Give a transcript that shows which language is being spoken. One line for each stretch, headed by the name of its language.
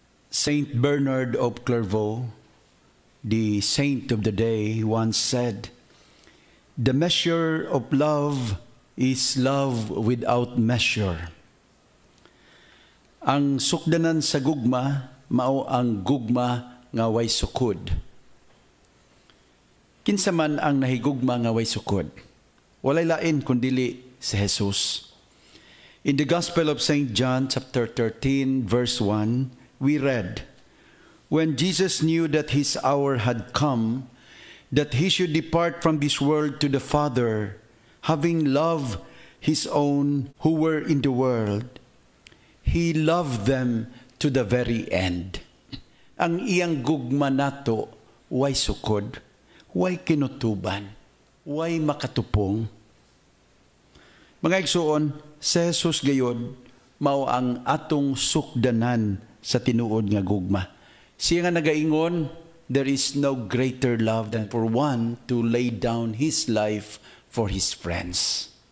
English: Saint Bernard of Clairvaux, the saint of the day, once said, "The measure of love is love without measure."
Cebuano: Ang sukdanan sa gugma, mao ang gugma nga way sukod. Kinsa man ang nahigugma nga way sukod? Walay lain kundili si Jesus.
English: In the Gospel of St. John, chapter 13, verse 1, we read, "When Jesus knew that his hour had come, that he should depart from this world to the Father, having loved his own who were in the world, he loved them to the very end."
Cebuano: Ang iyang gugma nato, way sukod, way kinutuban, way makatupong. Mga igsuon, si Jesus gayod, mao ang atong sukdanan sa tinuod nga gugma. Siya nga nagaingon,
English: "There is no greater love than for one to lay down his life for his friends."